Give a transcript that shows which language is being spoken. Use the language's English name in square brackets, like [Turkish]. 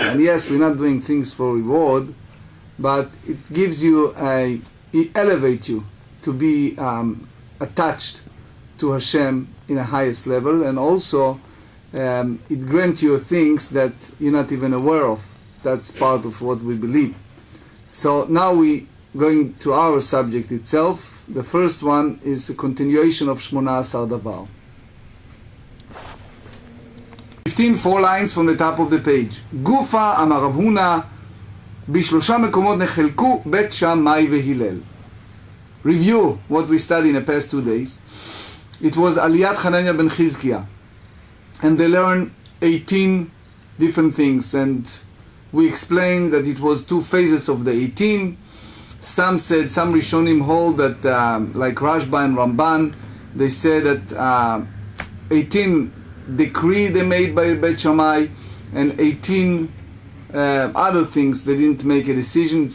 [English] And yes, we're not doing things for reward, but it gives you it elevates you to be attached to Hashem in a highest level, and also it grants you things that you're not even aware of. That's part of what we believe. So now we going to our subject itself. The first one is a continuation of Shmona Asar Davar. 15, four lines from the top of the page. [Hebrew] Gufa amar Rav Huna, בשלושה מקומות נחלקו בית שמאי והלל. [English] Review what we studied in the past 2 days. It was Aliyat Hananya ben Chizkiah. And they learned 18 different things. And we explained that it was two phases of the 18. Some said, some Rishonim hold that, like Rashba and Ramban, they said that 18 decree they made by Beit Shammai, and 18 other things they didn't make a decision.